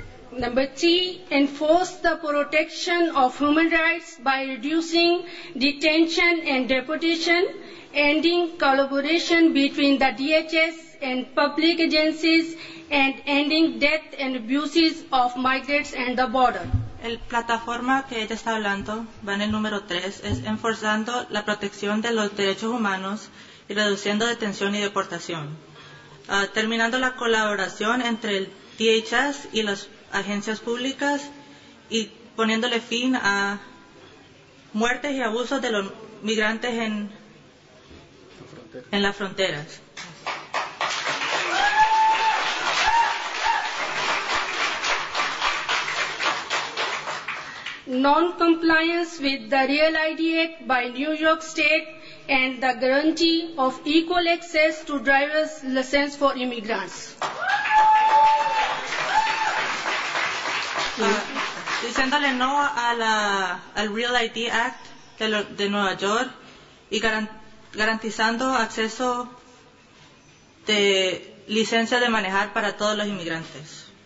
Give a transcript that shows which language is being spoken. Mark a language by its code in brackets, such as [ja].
[en] Number three, enforce the protection of human rights by reducing detention and deportation, ending collaboration between the DHS and public agencies, and ending death and abuses of migrants and the border. [es] El plataforma que ella está hablando va en el número 3, es enforzando la protección de los derechos humanos y reduciendo detención y deportación. Terminando la colaboración entre el DHS y las agencias públicas y poniéndole fin a muertes y abusos de los migrantes en las fronteras. [en] Non-compliance with the Real ID Act by New York State and the guarantee of equal access to driver's license for immigrants. [es] Diciéndole no a la, al Real ID Act de Nueva York y garantizando acceso de licencia de manejar para todos los inmigrantes.